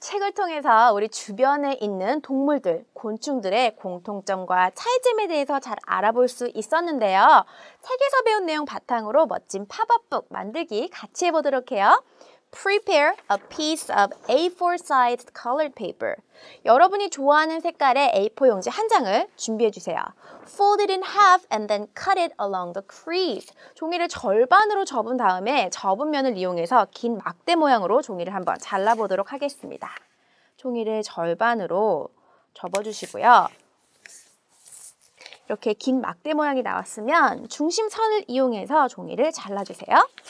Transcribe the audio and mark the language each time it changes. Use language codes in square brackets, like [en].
[ko] 책을 통해서 우리 주변에 있는 동물들, 곤충들의 공통점과 차이점에 대해서 잘 알아볼 수 있었는데요. 책에서 배운 내용 바탕으로 멋진 팝업북 만들기 같이 해보도록 해요. [en] Prepare a piece of A4-sized colored paper. [ko] 여러분이 좋아하는 색깔의 A4 용지 한 장을 준비해 주세요. [en] Fold it in half and then cut it along the crease. [ko] 종이를 절반으로 접은 다음에 접은 면을 이용해서 긴 막대 모양으로 종이를 한번 잘라보도록 하겠습니다. 종이를 절반으로 접어주시고요. 이렇게 긴 막대 모양이 나왔으면 중심선을 이용해서 종이를 잘라주세요.